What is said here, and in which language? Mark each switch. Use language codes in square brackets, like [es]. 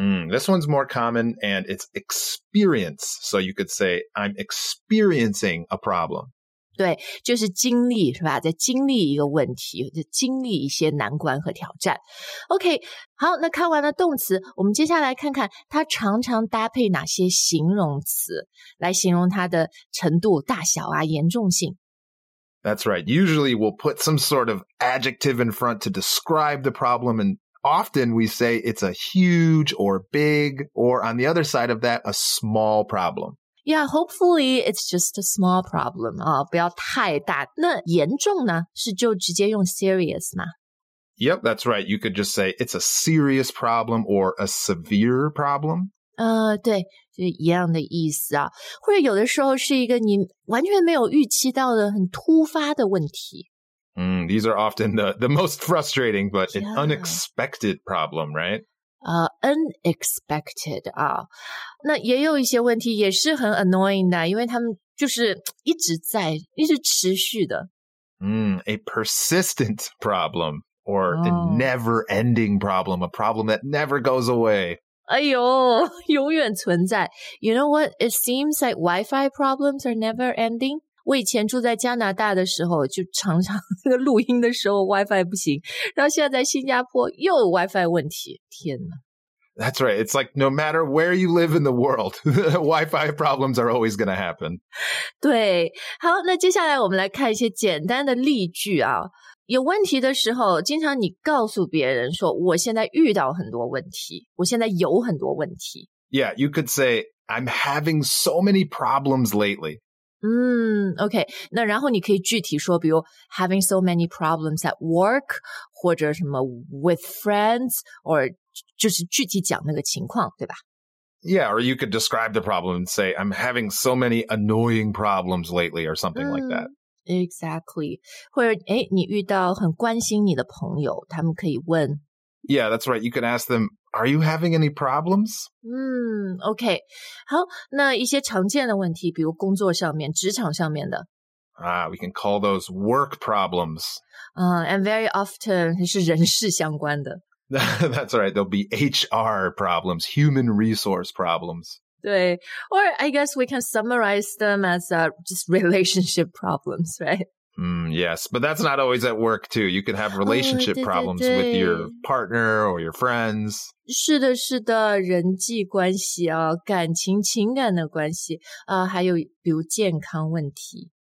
[en] This one's more common, and it's experience. So you could say, I'm experiencing a problem. [zh] 对，就是经历是吧，在经历一个问题，就经历一些难关和挑战。 OK， 好，那看完了动词，我们接下来看看它常常搭配哪些形容词来形容它的程度大小啊，严重性。 [en] That's right. Usually we'll put some sort of adjective in front to describe the problem, and often we say it's a huge or big, or on the other side of that, a small problem. Yeah, hopefully it's just a small problem. [zh] 不要太大。那严重呢？是就直接用 serious 吗？ [en] Yep, that's right. You could just say it's a serious problem or a severe problem. [zh] 对，就一样的意思啊。或者有的时候是一个你完全没有预期到的很突发的问题。 [en] These are often the most frustrating, but an unexpected problem, right? Unexpected, 啊。 [zh] 那也有一些问题也是很 annoying 的，因为他们就是一直在，一直持续的。 [en] A persistent problem, or a never-ending problem, a problem that never goes away. [zh] 哎呦，永远存在。 [en] You know what? It seems like Wi-Fi problems are never-ending. [zh] 我以前住在加拿大的时候就常常录音的时候 Wi-Fi 不行，然后现在在新加坡又有 Wi-Fi 问题，天哪。 [en] That's right, it's like no matter where you live in the world, Wi-Fi problems are always going to happen. [zh] 对，好，那接下来我们来看一些简单的例句啊。有问题的时候，经常你告诉别人说我现在遇到很多问题，我现在有很多问题。 [en] Yeah, you could say, I'm having so many problems lately. [zh] OK, 那然后你可以具体说比如 [en] having so many problems at work, [zh] 或者什么 [en] with friends, or [zh] 就是具体讲那个情况对吧 [en] Yeah, or you could describe the problem and say, I'm having so many annoying problems lately, or something like that. Exactly. [zh] 或者诶你遇到很关心你的朋友他们可以问 [en] Yeah, that's right. You could ask them,Are you having any problems? OK. [zh] 好，那一些常见的问题，比如工作上面、职场上面的。 [en] We can call those work problems. And very often, [zh] 是人事相关的。 [en] That's right. There'll be HR problems, human resource problems. [zh] 对。 [en] Or I guess we can summarize them as just relationship problems, right? Yes, but that's not always at work, too. You can have relationship problems with your partner or your friends. [zh] 是的，是的，人际关系啊，感情、情感的关系啊，还有比如健康问题。